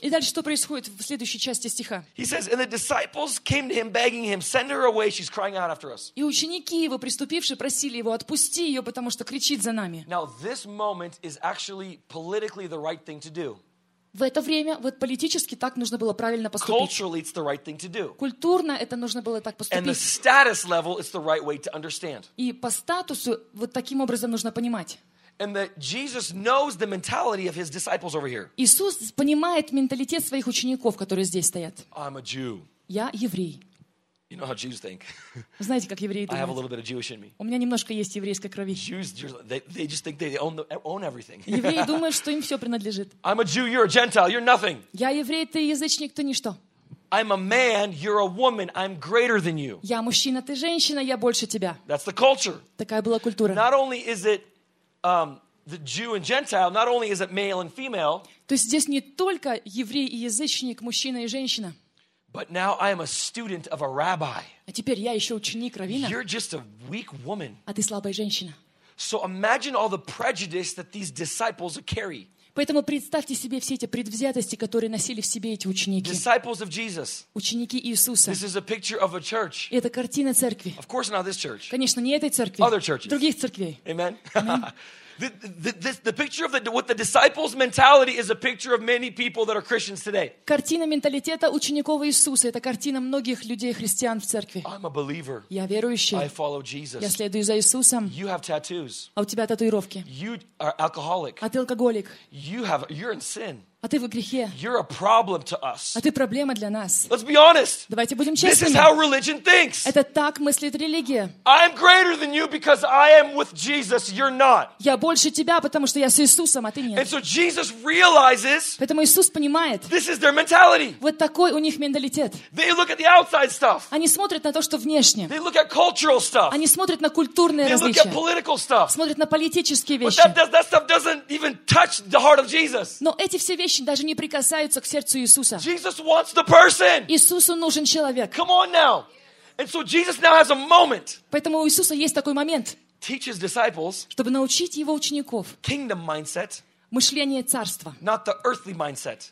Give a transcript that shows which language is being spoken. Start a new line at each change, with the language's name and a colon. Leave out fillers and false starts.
Russian: И дальше что происходит в следующей части стиха?
English: He says, and the disciples came to him, begging him, send her away, she's crying out after us.
Russian: И ученики его, приступившие, просили его, отпусти ее, потому что кричит за нами.
English: Now this moment is actually politically the right thing to do.
Russian: В это время, вот политически, так нужно было правильно поступить.
English: Culturally, it's the right thing to do.
Russian: Культурно это нужно было так поступить.
English: And the status level, it's the right way to understand.
Russian: И по статусу вот таким образом нужно понимать.
English: And that Jesus knows the mentality of his disciples over here.
Russian: Иисус понимает менталитет своих учеников, которые здесь стоят.
English: I'm a Jew.
Russian: Я еврей.
English: You know how Jews think.
Russian: Знаете, как евреи думают?
English: I have a little bit of Jewish in me.
Russian: У меня немножко есть еврейской крови.
English: Jews, they just think they own everything.
Russian: Евреи думают, что им все принадлежит.
English: I'm a Jew, you're a Gentile, you're nothing.
Russian: Я еврей, ты язычник, ты ничто.
English: I'm a man, you're a woman, I'm greater than you.
Russian: Я мужчина, ты женщина, я больше тебя.
English: That's the culture.
Russian: Такая была культура.
English: Not only is it the Jew and Gentile, not only is it male and female.
Russian: То есть здесь не только еврей и язычник, мужчина и женщина.
English: But now I am a student of a rabbi.
Russian: А теперь я еще ученик раввина.
English: You're just a weak woman.
Russian: А ты слабая женщина.
English: So imagine all the prejudice that these disciples carry.
Russian: Поэтому представьте себе все эти предвзятости, которые носили в себе эти ученики.
English: Disciples of Jesus.
Russian: Ученики Иисуса.
English: This is a picture of a church.
Russian: И это картина церкви.
English: Of course not this church.
Russian: Конечно, не этой церкви.
English: Other churches.
Russian: Других церквей.
English: Amen. The picture of what the disciples' mentality is a picture of many people that are Christians today.
Russian: Картина менталитета учеников Иисуса — это картина многих людей христиан в церкви.
English: I'm a believer.
Russian: Я верующий.
English: I follow Jesus.
Russian: Я следую за Иисусом.
English: You have tattoos.
Russian: А у тебя татуировки.
English: You are alcoholic.
Russian: А ты алкоголик.
English: You're in sin.
Russian: А ты в грехе.
English: You're a problem to us.
Russian: А ты проблема для нас.
English: Let's be honest.
Russian: Давайте будем честными.
English: This is how religion thinks.
Russian: Это так мыслит религия.
English: I'm greater than you because I am with Jesus. You're not.
Russian: Я больше тебя, потому что я с Иисусом, а ты нет.
English: And so Jesus realizes.
Russian: Поэтому Иисус понимает.
English: This is their mentality.
Russian: Вот такой у них менталитет.
English: They look at the outside stuff.
Russian: Они смотрят на то, что внешне.
English: They look at cultural stuff.
Russian: Они смотрят на культурные
English: They
Russian: различия.
English: They look at political stuff.
Russian: Смотрят на политические вещи.
English: But that stuff doesn't even touch the heart of Jesus.
Russian: Но эти все вещи даже не прикасаются к сердцу Иисуса.
English: Jesus wants the person.
Russian: Иисусу нужен человек.
English: Come on now. And so Jesus now has a moment.
Russian: Поэтому у Иисуса есть такой момент.
English: Teach his disciples.
Russian: Чтобы научить его учеников.
English: Kingdom mindset.
Russian: Мышление царства.
English: Not the earthly mindset.